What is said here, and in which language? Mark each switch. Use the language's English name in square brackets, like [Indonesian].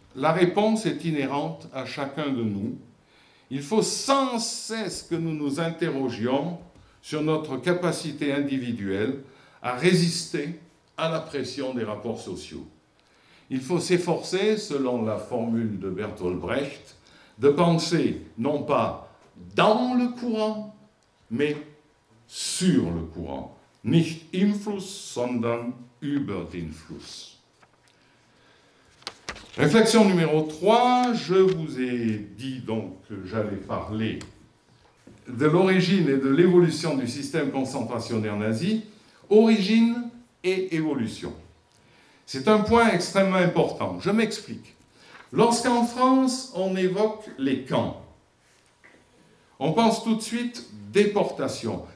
[French] La réponse est inhérente à chacun de nous. Il faut sans cesse que nous nous interrogions sur notre capacité individuelle à résister à la pression des rapports sociaux. Il faut s'efforcer, selon la formule de Bertolt Brecht, de penser non pas dans le courant, mais sur le courant. [German] Nicht im Fluss, sondern über den Fluss. [French] Réflexion numéro 3, je vous ai dit donc que j'allais parler de l'origine et de l'évolution du système concentrationnaire nazi, origine et évolution. C'est un point extrêmement important, je m'explique. Lorsqu'en France, on évoque les camps, on pense tout de suite déportation.